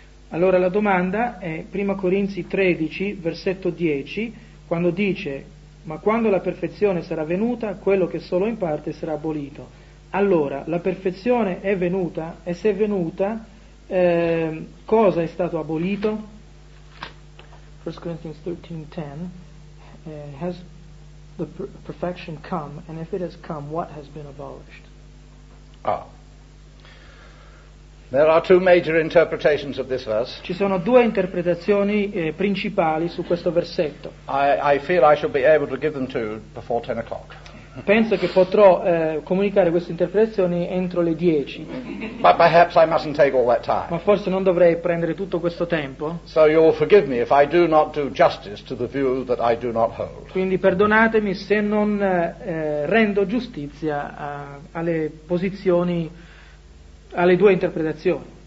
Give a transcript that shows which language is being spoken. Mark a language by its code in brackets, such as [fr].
[it] Allora la domanda è prima Corinzi 13 versetto 10, quando dice: ma quando la perfezione sarà venuta, quello che solo in parte sarà abolito. Allora la perfezione è venuta, e se è venuta, cosa è stato abolito? [en] 1 Corinthians 13:10, has the perfection come, and if it has come, what has been abolished? There are two major interpretations of this verse. [it] Ci sono due interpretazioni principali su questo versetto. [en] I feel I shall be able to give them to you before 10 o'clock. [it] Penso che potrò comunicare queste interpretazioni entro le 10. [en] But perhaps I mustn't take all that time. [it] Ma forse non dovrei prendere tutto questo tempo. [en] So you will forgive me if I do not do justice to the view that I do not hold. [it] Quindi perdonatemi se non rendo giustizia alle posizioni, alle due interpretazioni.